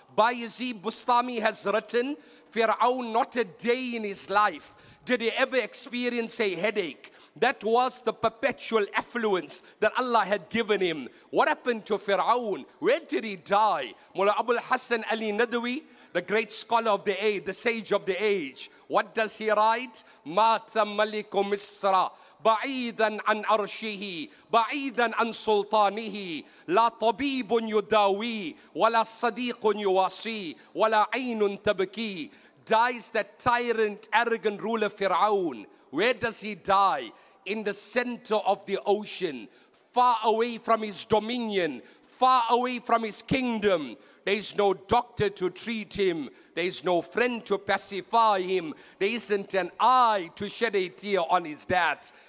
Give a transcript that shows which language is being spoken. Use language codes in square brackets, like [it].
[en] Bayezid Bustami has written, Fir'aun, not a day in his life did he ever experience a headache. That was the perpetual affluence that Allah had given him. What happened to Fir'aun? Where did he die? Mullah Abul Hassan Ali Nadwi, the great scholar of the age, the sage of the age, what does he write? [ar] Mata Malikum Misra. بعيداً عن أرشه بعيداً عن سلطانه لا طبيب يداوي ولا صديق يواسي ولا عين تبكي. [en] Dies that tyrant, arrogant ruler Fir'aun. Where does he die? In the center of the ocean, far away from his dominion, far away from his kingdom. There is no doctor to treat him. There is no friend to pacify him. There isn't an eye to shed a tear on his death.